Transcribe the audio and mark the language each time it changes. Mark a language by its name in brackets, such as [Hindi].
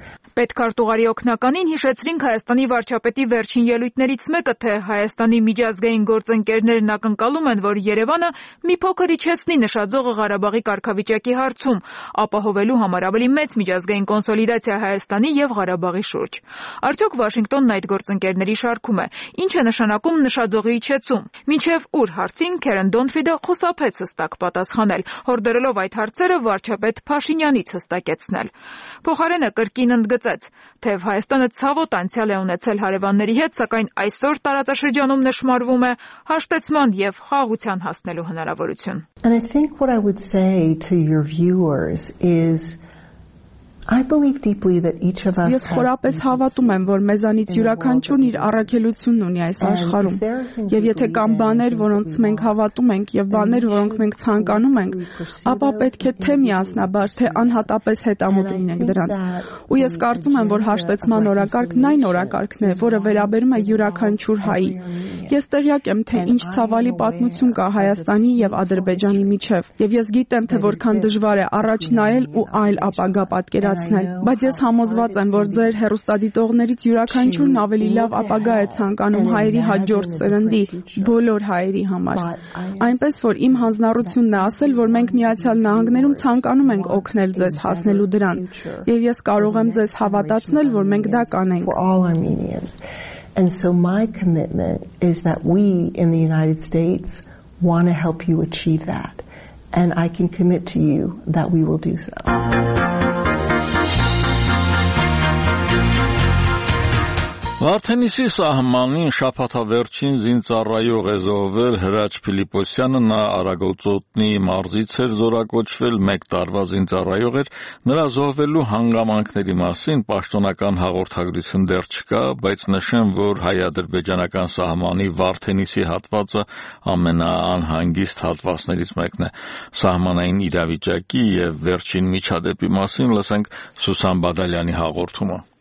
[Armenian] Պետ Քարտուղարի օգնականին հիշեցրինք Հայաստանի վարչապետի վերջին ելույթներից մեկը, թե Հայաստանի միջազգային գործընկերներն ակնկալում են, որ Երևանը մի փոքր իջեցնի նշաձողը Ղարաբաղի կարգավիճակի հարցում, ապահովելու համար ավելի մեծ միջազգային կոնսոլիդացիա Հայաստանի և Ղարաբաղի շուրջ։ Արդյոք Վաշինգտոնն այդ գործընկերների շարքում է, ինչ է նշանակում նշաձողի իջեցում։ Մինչև ուր հարցին Քերեն Դոնֆրիդը խուսափեց հստակ պատասխանել, հորդորելով այդ հարցերը վարչապետ Փաշինյանից հստակեցնել։ Փոխարենը կրկին ընդգծեց, թեև Հայաստանը ցավոտ անցյալ է ունեցել հարևանների հետ, սակայն այսօր տարածաշրջանում նշմարվում է հաշտեցման և խաղության հասնելու հնարավորություն։ [English] And I think what I would say to your viewers is I believe deeply that each of us [Armenian] Ես խորապես հավատում եմ, որ մեզանից յուրաքանչյուրն իր առաքելությունն ունի այս աշխարում։ Եվ եթե կան բաներ, որոնց մենք հավատում ենք, եւ բաներ, որոնք մենք ցանկանում ենք, ապա պետք է թե միասնաբար, թե անհատապես հետամուտ լինենք դրանց։ Ու ես կարծում եմ, որ հաշտեցման օրակարգն այն օրակարգն է, որը վերաբերում է յուրաքանչյուր հայի։ Ես տեղյակ եմ, թե ինչ ցավալի պատմություն կա Հայաստանի եւ Ադրբեջանի միջեւ, եւ ես գիտեմ, թե որքան դժվար է առաջ նայել ու այլ ապագա պատկերացնել։ Բայց ես համոզված եմ, որ ձեր հեռուստադիտողներից յուրաքանչյուրն ավելի լավ ապագա է ցանկանում հայերի հաջորդ սերնդի, բոլոր հայերի համար։ Այնպես որ իմ հանձնառությունն է ասել, որ մենք Միացյալ Նահանգներում ցանկանում ենք օգնել ձեզ հասնելու դրան, եւ ես կարող եմ ձեզ հավատացնել, որ մենք դա կանենք։ [English] And so my commitment is that we in the United States want to help you achieve that, and I can commit to you that we will do so. [Armenian] Վարդենիսի սահմանին շապատավերջին զինծառայող է զոհվել Հրաչ Փիլիպոսյանը, նա Արագոծոտնի մարզից էր զորակոչվել, մեկ տարվա զինծառայող էր, նրա զոհվելու հանգամանքների մասին պաշտոնական հաղորդագրություն դեռ չկա, բայց նշեմ, որ հայ-ադրբեջանական սահմանի Վարդենիսի հատվածը ամենաանհանգիստ հատվածներից մեկն է։ Սահմանային իրավիճակի և վերջին միջադեպի մասին լսենք Սուսան Բադալյանի հաղորդումը։